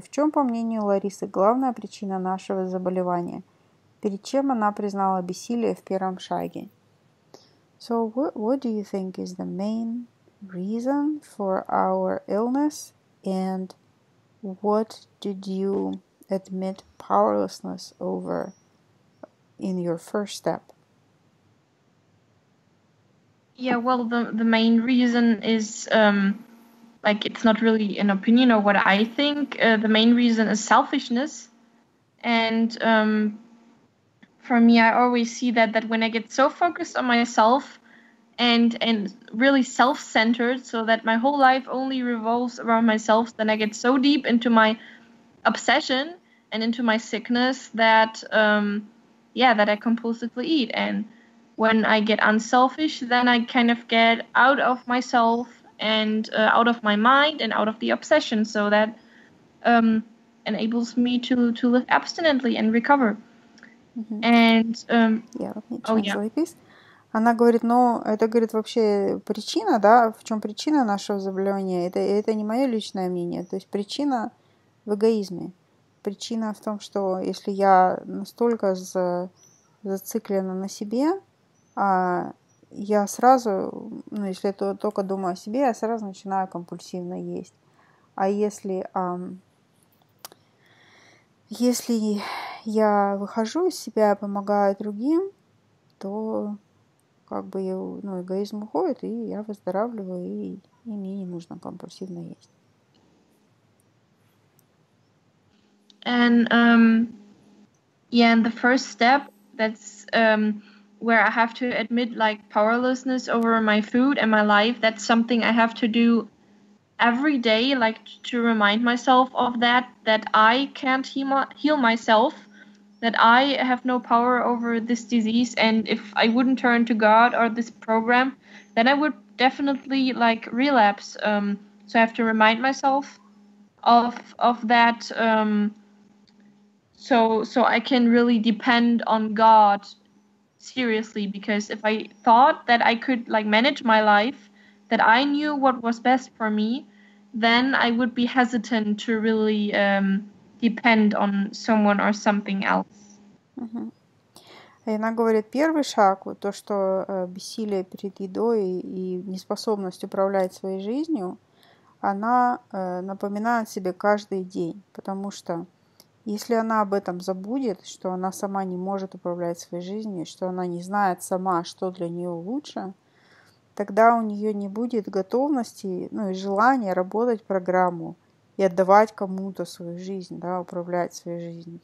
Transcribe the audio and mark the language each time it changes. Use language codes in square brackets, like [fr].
[ru] В чем, по мнению Ларисы, главная причина нашего заболевания? Перед чем она признала бессилие в первом шаге? [en] So, what do you think is the main reason for our illness? And what did you admit powerlessness over in your first step? Yeah, well, the main reason is like, it's not really an opinion or what I think. The main reason is selfishness. And for me, I always see that when I get so focused on myself and really self-centered, so that my whole life only revolves around myself, then I get so deep into my obsession and into my sickness that, that I compulsively eat. And when I get unselfish, then I kind of get out of myself and out of my mind and out of the obsession, so that enables me to live abstinently and recover. Mm-hmm. And [ru] Она говорит, ну, это, говорит, вообще причина, да, в чем причина нашего заболевания, это не мое личное мнение, то есть причина в эгоизме, причина в том, что если я настолько зациклена на себе, я сразу, ну, если я только думаю о себе, я сразу начинаю компульсивно есть. А если, если я выхожу из себя, помогаю другим, то как бы, ну, эгоизм уходит, и я выздоравливаю, и мне не нужно компульсивно есть. [en] And the first step, that's where I have to admit like powerlessness over my food and my life, that's something I have to do every day, like to remind myself of that I can't heal myself, that I have no power over this disease, and if I wouldn't turn to God or this program, then I would definitely like relapse. So I have to remind myself of that So I can really depend on God seriously, because if I thought that I could like manage my life, that I knew what was best for me, then I would be hesitant to really depend on someone or something else. [ru] Uh-huh. И она говорит, первый шаг, вот то, что бессилие перед едой и неспособность управлять своей жизнью, она напоминает себе каждый день, потому что если она об этом забудет, что она сама не может управлять своей жизнью, что она не знает сама, что для нее лучше, тогда у нее не будет готовности, ну и желания работать программу и отдавать кому-то свою жизнь, да, управлять своей жизнью.